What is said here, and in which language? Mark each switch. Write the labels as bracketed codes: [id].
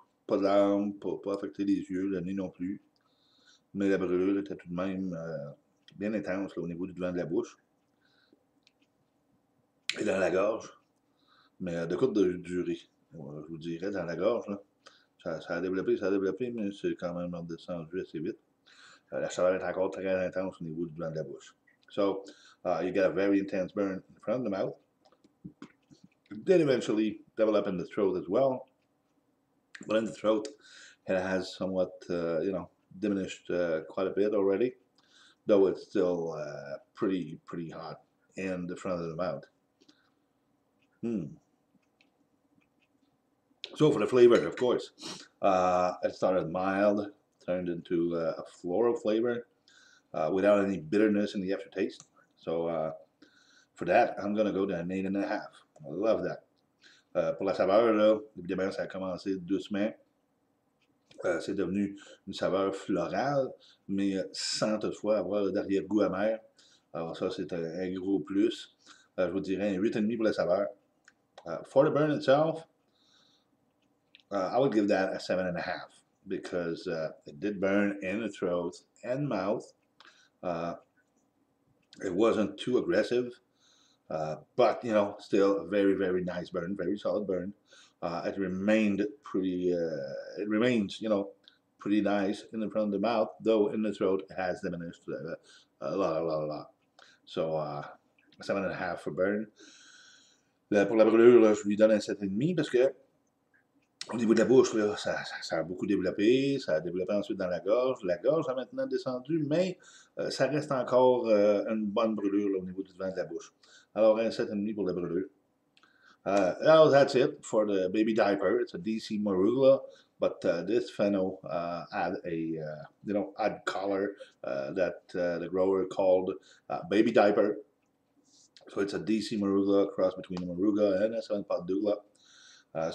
[fr] Pas de larmes, pas affecter les yeux, le nez non plus. Mais la brûlure était tout de même bien intense là, au niveau du devant de la bouche et dans la gorge. Mais de courte durée, je vous dirais, dans la gorge, là, ça a développé, mais c'est quand même redescendu assez vite. La chaleur est encore très intense au niveau du devant de la bouche. [en] So, you got a very intense burn in front of the mouth. Then eventually develop in the throat as well. But in the throat, it has somewhat, diminished quite a bit already, though it's still pretty hot in the front of the mouth. So for the flavor, of course, it started mild, turned into a floral flavor without any bitterness in the aftertaste. So for that, I'm gonna go to an 8.5. I love that. [fr] Pour la saveur, là, évidemment, ça a commencé doucement. C'est devenu une saveur florale, mais sans toutefois avoir le dernier goût amer. Alors ça, c'est un gros plus. Je vous dirais un 8,5 pour la saveur. [en] For the burn itself, I would give that a 7.5 because it did burn in the throat and mouth. It wasn't too aggressive, but you know, still a very, very nice burn, very solid burn. It remained pretty, it remains, you know, pretty nice in the front of the mouth, though in the throat it has diminished a lot. So 7.5 for burn. [fr] Là, pour la brûlure, là, je lui donne un 7,5 parce que au niveau de la bouche, là, ça a beaucoup développé. Ça a développé ensuite dans la gorge. La gorge a maintenant descendu, mais ça reste encore une bonne brûlure là, au niveau du devant de la bouche. Alors, un 7,5 pour la brûlure. [en] That's it for the baby diaper. It's a DC Moruglah, but this pheno had a you know odd color that the grower called baby diaper. So it's a DC Moruglah cross between a Moruglah and a Southern Pot Douglas.